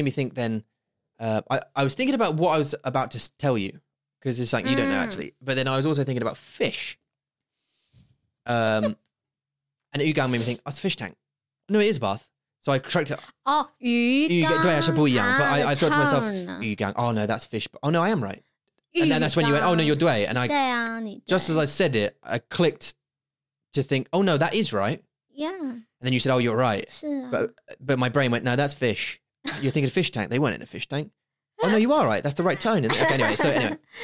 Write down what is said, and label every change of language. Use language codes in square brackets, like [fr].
[en] I was thinking about what I was about to tell you because it's like you don't know actually. But then I was also thinking about fish. and Yugang made me think, oh, it's a fish tank. No, it is a bath. So I cracked it. [zh] Oh, 鱼缸。对啊，是不一样。 [en] But I thought to myself, 鱼缸, oh no, that's fish. Oh no, I am right. 鱼缸。 And then that's when you went, oh no, you're Dway. And I, [zh] 对啊,你对。 [en] Just as I said it, I clicked to think, oh no, that is right. Yeah. And then you said, oh, you're right. [zh] 是啊。 [en] But my brain went, no, that's fish. You're thinking of fish tank. They weren't in a fish tank. Oh no, you are right. That's the right tone. Okay, anyway, so anyway.